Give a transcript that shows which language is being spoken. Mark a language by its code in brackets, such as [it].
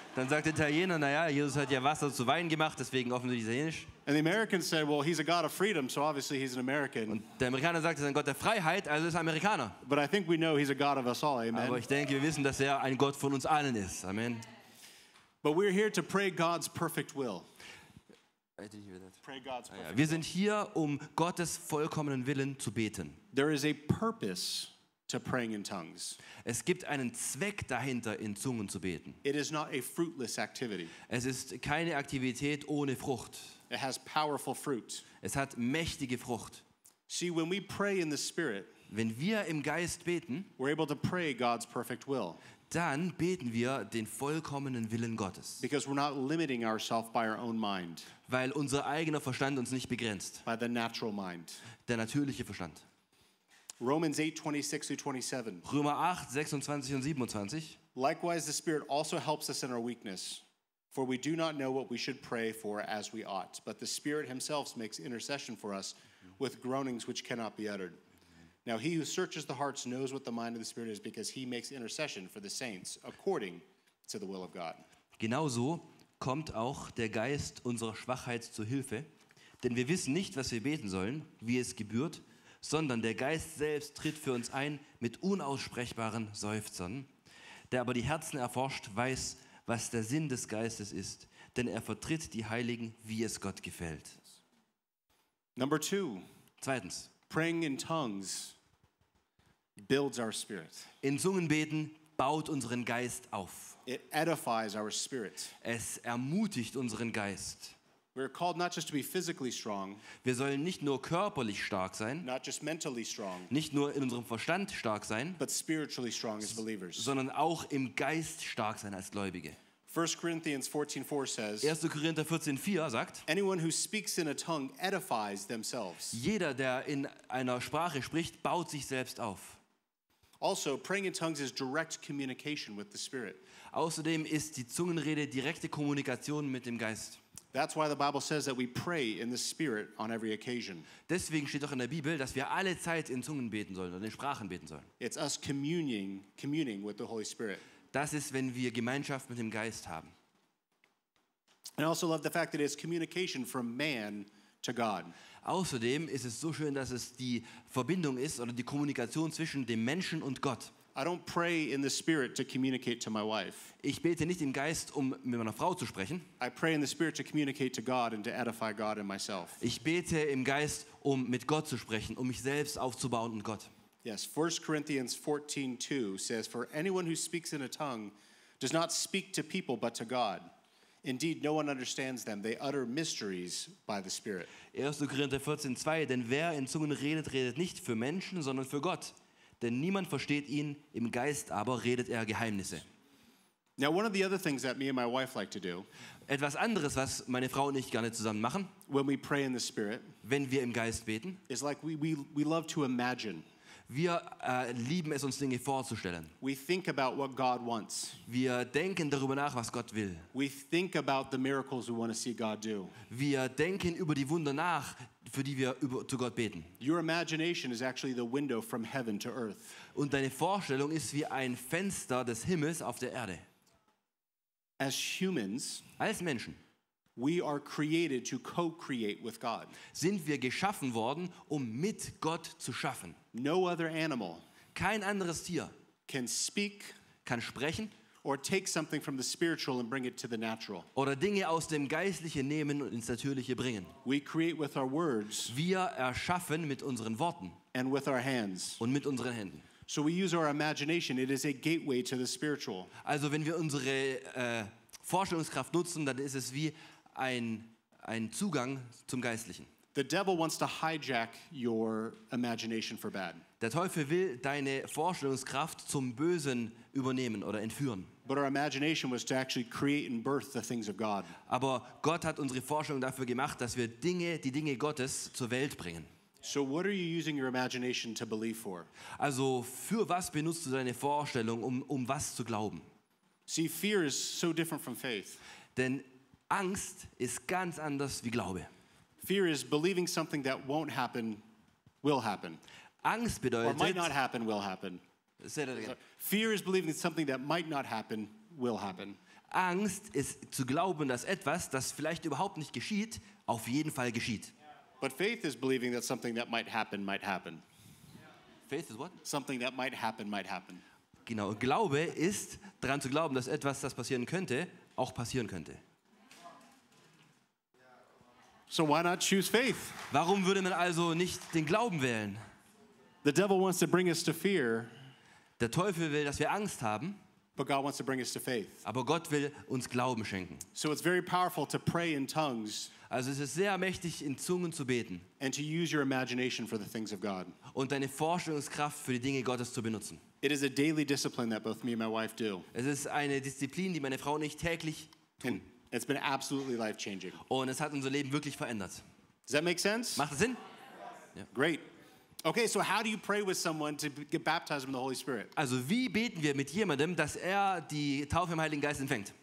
[de] Dann sagt der Italiener, naja, Jesus hat ja Wasser zu Wein gemacht, deswegen offensichtlich italienisch. [en] And the Americans say, well, he's a God of freedom, so obviously he's an American. [de] Und der Amerikaner sagt, er ist ein Gott der Freiheit, also ist er Amerikaner. [en] But I think we know he's a God of us all, amen. [de] Aber ich denke, wir wissen, dass er ein Gott von uns allen ist, amen. [en] But we're here to pray God's perfect will. I didn't hear that. Pray God's perfect will. [de] Wir sind hier, um Gottes vollkommenen Willen zu beten. [en] There is a purpose to praying in tongues. [de] Es gibt einen Zweck dahinter, in Zungen zu beten. [en] It is not a fruitless activity. [de] Es ist keine Aktivität ohne Frucht. [en] It has powerful fruit. [de] Es hat mächtige Frucht. [en] See, when we pray in the Spirit, [de] wenn wir im Geist beten, [en] we're able to pray God's perfect will. [de] Dann beten wir den vollkommenen Willen Gottes. [en] Because we're not limiting ourselves by our own mind. [de] Weil unser eigener Verstand uns nicht begrenzt. [en] By the natural mind. [de] Der natürliche Verstand. [en] Romans 8:26-27. [de] Römer 8, 26 und 27. [en] Likewise, the Spirit also helps us in our weakness, for we do not know what we should pray for as we ought, but the Spirit himself makes intercession for us with groanings which cannot be uttered. Now he who searches the hearts knows what the mind of the Spirit is, because he makes intercession for the saints according to the will of God. [de] Genauso kommt auch der Geist unserer Schwachheit zu Hilfe, denn wir wissen nicht, was wir beten sollen, wie es gebührt, sondern der Geist selbst tritt für uns ein mit unaussprechbaren Seufzern. Der aber die Herzen erforscht, weiß, was der Sinn des Geistes ist, denn er vertritt die Heiligen, wie es Gott gefällt. [en] Number two. [de] Zweitens. [en] Praying in tongues builds our spirit. [de] In Zungen beten baut unseren Geist auf. [en] It edifies our spirit. [de] Es ermutigt unseren Geist. [en] We're called not just to be physically strong. [de] Wir sollen nicht nur körperlich stark sein. [en] Not just mentally strong. [de] Nicht nur in unserem Verstand stark sein. [en] But spiritually strong as believers. [de] Sondern auch im Geist stark sein als Gläubige. [en] 1 Corinthians 14:4 says. [de] 1. Korinther 14:4 sagt. [en] Anyone who speaks in a tongue edifies themselves. [de] Jeder, der in einer Sprache spricht, baut sich selbst auf. [en] Also, praying in tongues is direct communication with the Spirit. [de] Außerdem ist die Zungenrede direkte Kommunikation mit dem Geist. [en] That's why the Bible says that we pray in the Spirit on every occasion. [de] Deswegen steht doch in der Bibel, dass wir alle Zeit in Zungen beten sollen oder in Sprachen beten sollen. [en] It's us communing with the Holy Spirit. [de] Das ist, wenn wir Gemeinschaft mit dem Geist haben. [en] And I also love the fact that it's communication from man to God. [de] Außerdem ist es so schön, dass es die Verbindung ist oder die Kommunikation zwischen dem Menschen und Gott. [en] I don't pray in the Spirit to communicate to my wife. [de] Ich bete nicht im Geist, um mit meiner Frau zu sprechen. [en] I pray in the Spirit to communicate to God and to edify God and myself. [de] Ich bete im Geist, um mit Gott zu sprechen, um mich selbst aufzubauen und Gott. [en] Yes, 1 Corinthians 14:2 says, for anyone who speaks in a tongue does not speak to people but to God. Indeed, no one understands them. They utter mysteries by the Spirit. [de] 1. Korinther 14:2, denn wer in Zungen redet, redet nicht für Menschen, sondern für Gott. Denn niemand versteht ihn, im Geist aber redet er Geheimnisse. [en] Now one of the other things that me and my wife like to do. [de] Etwas anderes, was meine Frau und ich gerne zusammen machen. [en] When we pray in the spirit. [de] Wenn wir im Geist beten. [en] Is like we love to imagine. [de] Wir lieben es, uns Dinge vorzustellen. [en] We think about what God wants. [de] Wir denken darüber nach, was Gott will. [en] We think about the miracles we want to see God do. [de] Wir denken über die Wunder nach, für die wir zu Gott beten. [en] Your imagination is actually the window from heaven to earth. [de] Und deine Vorstellung ist wie ein Fenster des Himmels auf der Erde. [en] As humans, [de] als Menschen, [en] we are created to co-create with God. [de] Sind wir geschaffen worden, um mit Gott zu schaffen. [en] No other animal, [de] kein anderes Tier, [en] can speak, [de] kann sprechen, [en] or take something from the spiritual and bring it to the natural. [de] Oder Dinge aus dem Geistlichen nehmen und ins Natürliche bringen. [en] We create with our words, [de] wir erschaffen mit unseren Worten, [en] and with our hands, [de] und mit unseren Händen. [en] So we use our imagination, it is a gateway to the spiritual. [de] Also wenn wir unsere Vorstellungskraft nutzen, dann ist es wie ein Zugang zum Geistlichen. [en] The devil wants to hijack your imagination for bad. [de] Der Teufel will deine Vorstellungskraft zum Bösen übernehmen oder entführen. [en] But our imagination was to actually create and birth the things of God. [de] Aber Gott hat unsere Vorstellung dafür gemacht, dass wir die Dinge Gottes zur Welt bringen. [en] So what are you using your imagination to believe for? [de] Also für was benutzt du deine Vorstellung, um was zu glauben? [en] See, fear is so different from faith. [de] Denn Angst ist ganz anders wie Glaube. [en] Fear is believing something that won't happen will happen. [de] Angst bedeutet, [en] or might not happen will happen. Say that again. So fear is believing something that might not happen will happen. [de] Angst ist zu glauben, dass etwas, das vielleicht überhaupt nicht geschieht, auf jeden Fall geschieht. [en] But faith is believing that something that might happen might happen. Faith is what? Something that might happen might happen. [de] Genau, Glaube ist daran zu glauben, dass etwas, das passieren könnte, auch passieren könnte. [en] So why not choose faith? [de] Warum würde man also nicht den Glauben wählen? [en] The devil wants to bring us to fear. [de] Der Teufel will, dass wir Angst haben. [en] But God wants to bring us to faith. [de] Aber Gott will uns Glauben schenken. [en] So it's very powerful to pray in tongues. [de] Also es ist sehr mächtig, in Zungen zu beten. [en] And to use your imagination for the things of God. [de] Und deine Vorstellungskraft für die Dinge Gottes zu benutzen. [en] It is a daily discipline that both me and my wife do. [de] Es ist eine Disziplin, die meine Frau und ich täglich tun. [en] It's been absolutely life-changing. [de] Und es hat unser Leben wirklich verändert. [en] Does that make sense? [de] Macht das Sinn? [en] Yeah. Great. Okay, so how do you pray with someone to get baptized in the Holy Spirit? [de] Also, wie beten wir mit jemandem, dass die Taufe im Heiligen Geist empfängt?